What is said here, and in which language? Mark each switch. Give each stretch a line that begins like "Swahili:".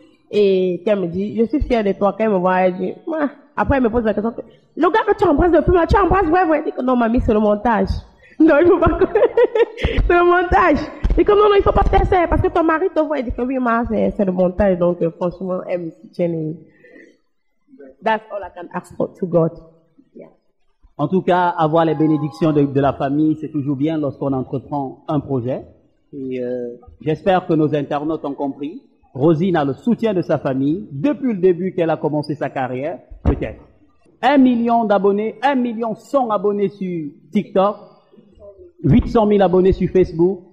French: Et elle me dit, je suis fière de toi. Quand elle me voit, elle dit, moi. Après, elle me pose la question. Le gars que tu embrasses depuis moi, tu embrasses, ouais, ouais. Elle dit que non, mamie, c'est le montage. Non, il ne faut pas. C'est le montage. Et comme non, il ne faut pas faire ça, parce que ton mari te voit et dit que oui, ma, c'est le montage. Donc, franchement, elle me soutient.
English: That's all I can ask for to God. Yeah.
French: En tout cas, avoir les bénédictions de la famille, c'est toujours bien lorsqu'on entreprend un projet. Et j'espère que nos internautes ont compris. Rosine a le soutien de sa famille depuis le début qu'elle a commencé sa carrière, peut-être. 1 million d'abonnés, 1 100 000 abonnés sur TikTok, 800 000 abonnés sur Facebook.